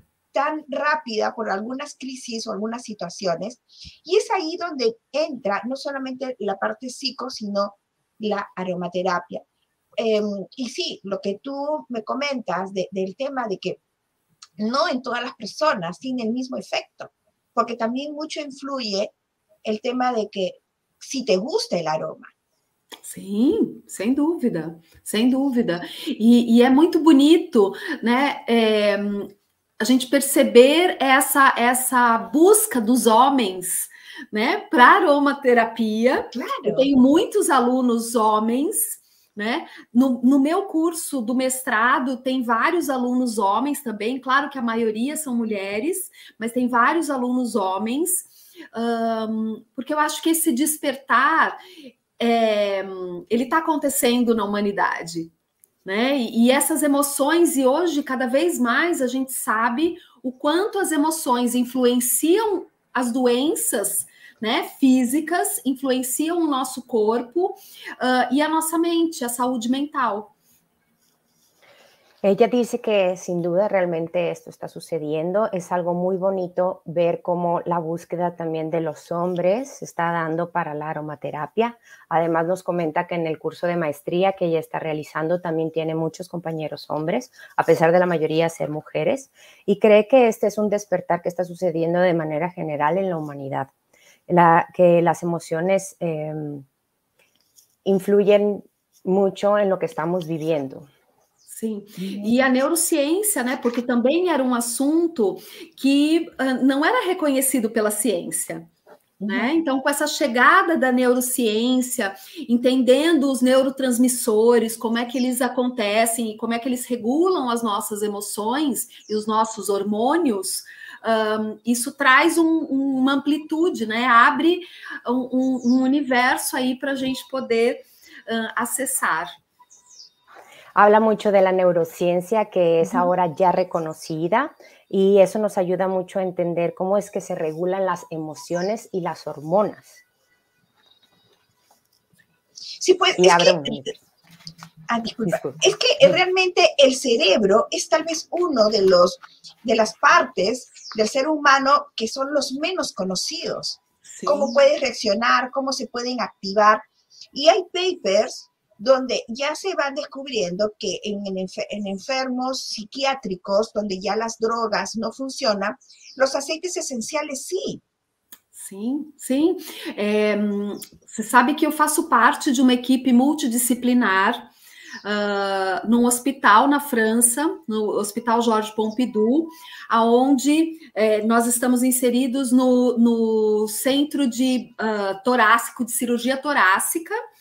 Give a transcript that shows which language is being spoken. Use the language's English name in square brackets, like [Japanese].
[Spanish] tan rápida por algunas crisis o algunas situaciones, y es ahí donde entra no solamente la parte psico, sino la aromaterapia. Y sí, lo que tú me comentas del tema de que no en todas las personas tiene el mismo efecto, porque también mucho influye el tema de que si te gusta el aroma. [Portuguese] Sim, sem dúvida, sem dúvida. E é muito bonito, né? A gente perceber essa busca dos homens, né, para aromaterapia. [Spanish] Claro. [Portuguese] Eu tenho muitos alunos homens, né? No meu curso do mestrado tem vários alunos homens também. Claro que a maioria são mulheres, mas tem vários alunos homens, porque eu acho que esse despertar ele está acontecendo na humanidade. Né? E essas emoções, e hoje cada vez mais a gente sabe o quanto as emoções influenciam as doenças, né, físicas, influenciam o nosso corpo e a nossa mente, a saúde mental. [Spanish] Ella dice que sin duda realmente esto está sucediendo. Es algo muy bonito ver cómo la búsqueda también de los hombres está dando para la aromaterapia. Además nos comenta que en el curso de maestría que ella está realizando también tiene muchos compañeros hombres, a pesar de la mayoría ser mujeres, y cree que este es un despertar que está sucediendo de manera general en la humanidad. Que las emociones influyen mucho en lo que estamos viviendo. [Portuguese] Sim, e a neurociência, né, porque também era um assunto que não era reconhecido pela ciência, né, então com essa chegada da neurociência, entendendo os neurotransmissores, como é que eles acontecem e como é que eles regulam as nossas emoções e os nossos hormônios, isso traz uma amplitude, né, abre um universo aí para a gente poder acessar. [Spanish] Habla mucho de la neurociencia, que es ahora ya reconocida, y eso nos ayuda mucho a entender cómo es que se regulan las emociones y las hormonas. Sí, pues, y abre un disculpa. Es que realmente el cerebro es tal vez uno de los de las partes del ser humano que son los menos conocidos. Sí. Cómo puede reaccionar, cómo se pueden activar. Y hay papers donde ya se van descubriendo que en enfermos psiquiátricos, donde ya las drogas no funcionan, los aceites esenciales sí. [Portuguese] Sim, sim. Você sabe que eu faço parte de uma equipe multidisciplinar num hospital na França, no Hospital Georges Pompidou, onde nós estamos inseridos no centro de torácico, de cirurgia torácica.